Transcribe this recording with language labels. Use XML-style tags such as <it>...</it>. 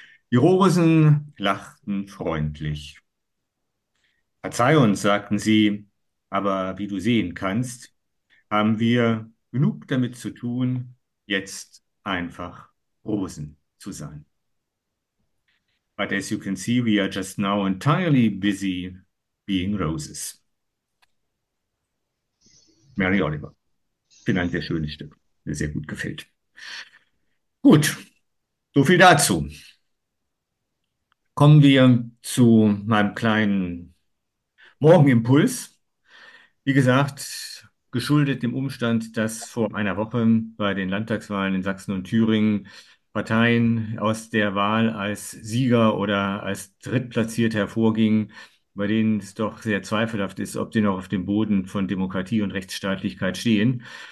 <de>Die Rosen lachten freundlich. Verzeih uns, sagten sie, aber wie du sehen kannst, haben wir genug damit zu tun, jetzt einfach Rosen zu sein.</de> <en>But as you can see, we are just now entirely busy being roses. Mary Oliver.</en> <de>Finde ein sehr schönes Stück, mir sehr gut gefällt. Gut, so viel dazu. Kommen wir zu meinem kleinen Morgenimpuls, wie gesagt, geschuldet dem Umstand, dass vor einer Woche bei den Landtagswahlen in Sachsen und Thüringen Parteien aus der Wahl als Sieger oder als Drittplatzierte hervorgingen, bei denen es doch sehr zweifelhaft ist, ob die noch auf dem Boden von Demokratie und Rechtsstaatlichkeit stehen.</de>